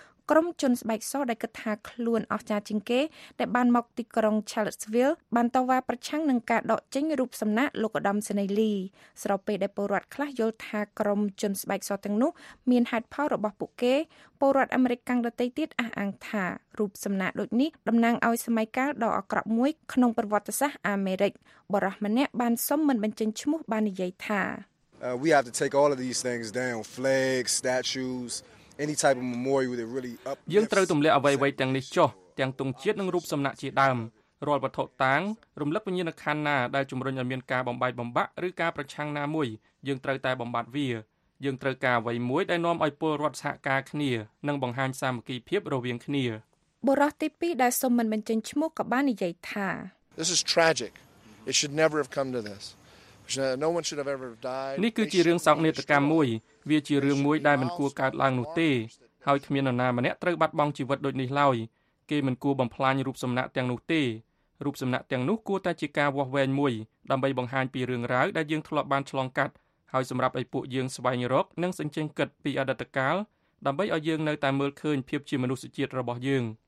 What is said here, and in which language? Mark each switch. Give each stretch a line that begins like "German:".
Khmer: ក្រុមជនស្បែកសដែលគិតថាខ្លួនអស្ចារ្យជាងគេដែលបានមកទីក្រុង Charlottesville បានតវ៉ាប្រឆាំងនឹងការដកចេញរូបសំណាកលោកឧត្តមសេនីយ៍លីស្របពេលដែលពលរដ្ឋខ្លះយល់ថាក្រុមជនស្បែកសទាំងនោះមានហេតុផលរបស់ពួកគេពលរដ្ឋអាមេរិកកាំងដតីទៀតអះអាងថារូបសំណាកដូចនេះតំណាងឲ្យសម័យកាលដ៏អាក្រក់មួយក្នុងប្រវត្តិសាស្ត្រអាមេរិកបរិះម្នាក់បានសុំមិនបញ្ចេញឈ្មោះបាននិយាយថា
English: We have to take all of these things down flags statues any type of memorial that really up
Khmer: យើងត្រូវទម្លាក់អ្វីៗទាំងនេះចុះទាំងទង់ជាតិនិងរូបសំណាកជាដើមរាល់វត្ថុតាងរំលឹកវិញ្ញាណក្ខន្ធណាដែលជំរុញឲ្យមានការបំបែកបំបាក់ឬការប្រឆាំងណាមួយយើងត្រូវតែបំបត្តិវាយើងត្រូវការអ្វីមួយដែលនាំឲ្យពលរដ្ឋសហការគ្នានិងបង្ហាញសាមគ្គីភាពរវាងគ្នា បុរសទី2ដែលសុំមិនបញ្ចេញឈ្មោះក៏បាននិយាយថា
English: This is tragic. It should never have come to this. No one should have ever died.
Khmer: នេះគឺជារឿងសោកនាដកម្មមួយវាជារឿងមួយដែលមិនគួរកើតឡើងនោះទេហើយគ្មាននរណាម្នាក់ត្រូវបាត់បង់ជីវិតដូចនេះឡើយគេមិនគួរបំផ្លាញរូបសំណាកទាំងនោះទេរូបសំណាកទាំងនោះគួរតែជាការវាស់វែងមួយដើម្បីបង្ហាញពីរឿងរ៉ាវដែលយើងធ្លាប់បានឆ្លងកាត់ហើយសម្រាប់ឲ្យពួកយើងស្វែងរកនិងសង្កេតគិតពីអតីតកាលដើម្បីឲ្យយើងនៅតែមើលឃើញភាពជាមនុស្សជាតិរបស់យើង